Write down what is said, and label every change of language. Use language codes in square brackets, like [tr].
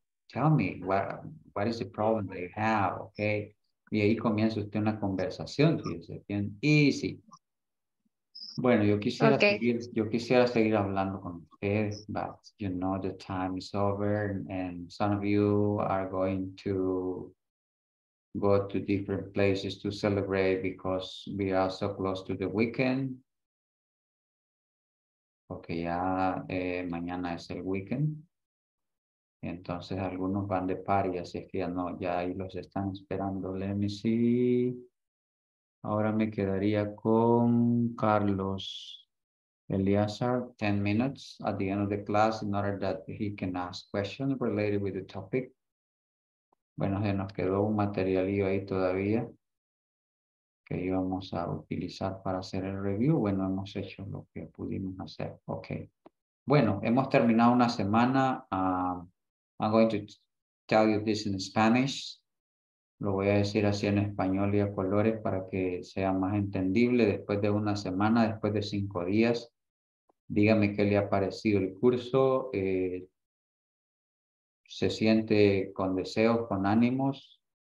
[en] Tell me, what is the problem that you have, okay? [es] Y ahí comienza usted una conversación, fíjese, bien easy. Bueno, yo quisiera, okay. seguir, yo quisiera seguir hablando con ustedes, [en] but you know the time is over and some of you are going to go to different places to celebrate because we are so close to the weekend. [es] Porque ya mañana es el weekend. Entonces algunos van de party, así es que ya no, ya ahí los están esperando. [en] Let me see. [es] Ahora me quedaría con [en] Carlos Eliasar, 10 minutes at the end of the class in order that he can ask questions related with the topic. [es] Bueno, se nos quedó un materialillo ahí todavía que íbamos a utilizar para hacer el review. Bueno, hemos hecho lo que pudimos hacer. Okay. Bueno, hemos terminado una semana. [en] I'm going to tell you this in Spanish. [es] Lo voy a decir así en español y a colores para que sea más entendible. Después de una semana, después de 5 días, dígame qué le ha parecido el curso. ¿Se siente con deseos, con ánimos?